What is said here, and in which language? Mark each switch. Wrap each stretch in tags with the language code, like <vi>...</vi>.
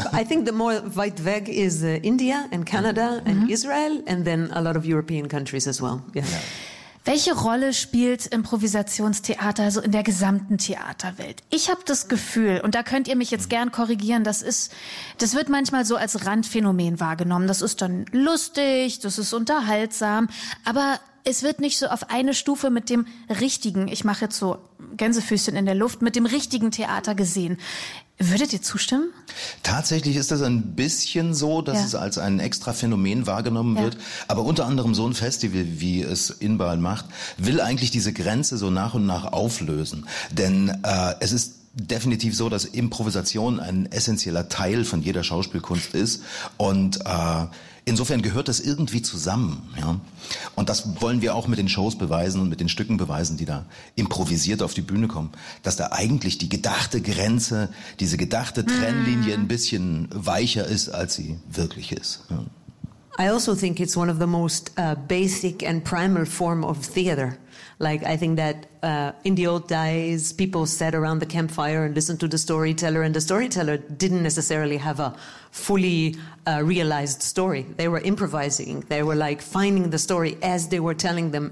<en>I think the more</en> <de>weit weg</de> <en>is India and Canada and Israel and then a lot of European countries as well. Yeah.</en> <de>Welche Rolle spielt Improvisationstheater also in der gesamten Theaterwelt? Ich habe das Gefühl, und da könnt ihr mich jetzt gern korrigieren, das wird manchmal so als Randphänomen wahrgenommen. Das ist dann lustig, das ist unterhaltsam, aber es wird nicht so auf eine Stufe mit dem richtigen, ich mache jetzt so Gänsefüßchen in der Luft, mit dem richtigen Theater gesehen. Würdet ihr zustimmen? Tatsächlich ist das ein bisschen so, dass es als ein extra Phänomen wahrgenommen wird. Aber unter anderem so ein Festival, wie es Inbal macht, will eigentlich diese Grenze so nach und nach auflösen. Denn es ist definitiv so, dass Improvisation ein essentieller Teil von jeder Schauspielkunst ist. Und insofern gehört das irgendwie zusammen, ja. Und das wollen wir auch mit den Shows beweisen und mit den Stücken beweisen, die da improvisiert auf die Bühne kommen, dass da eigentlich die gedachte Grenze, diese gedachte Trennlinie ein bisschen weicher ist, als sie wirklich ist, ja.</de> <en>I also think it's one of the most basic and primal form of theater. Like, I think that in the old days, people sat around the campfire and listened to the storyteller, and the storyteller didn't necessarily have a fully realized story. They were improvising. They were like finding the story as they were telling them.</en>